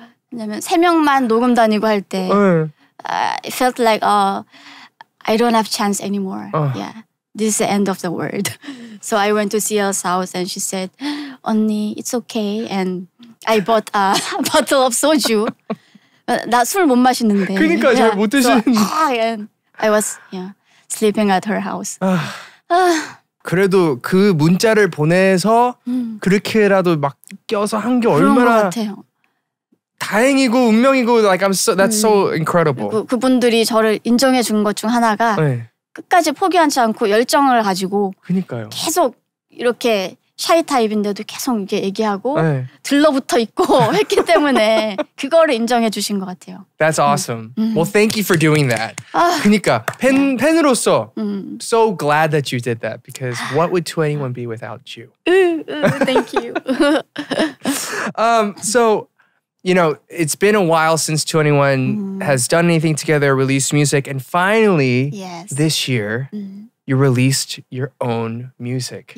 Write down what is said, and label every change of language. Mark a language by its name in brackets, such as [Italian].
[Korean] 왜냐면 세 명만 녹음 다니고 할 때 [English] I felt like I don't have chance anymore. Yeah. This is the end of the world. So I went to CL's house and she said, Onni, it's okay. And I bought a bottle of soju. [Korean] 나 술 못 마시는데. 그러니까 잘 못 드시는데. [English] And I was sleeping at her house. [Korean] 그래도 그 문자를 보내서 그렇게라도 막 껴서 한 게 얼마나… 그런 것 같아요. 다행이고 운명이고 [English] like I'm so, that's so incredible. [Korean] 그분들이 저를 인정해 준 것 중 하나가 끝까지 포기하지 않고 열정을 가지고 그러니까요. 계속 이렇게 샤이 타입인데도 계속 이게 얘기하고 네. 들러붙어 있고 했기 때문에 그거를 인정해 주신 것 같아요. [English] That's awesome. Well, thank you for doing that. [Korean] 그러니까 팬 [English] yeah. [Korean] 팬으로서 [English] so glad that you did that because what would 21 be without you? thank you. You know, it's been a while since 21 has done anything together, released music, and finally, this year, you released your own music.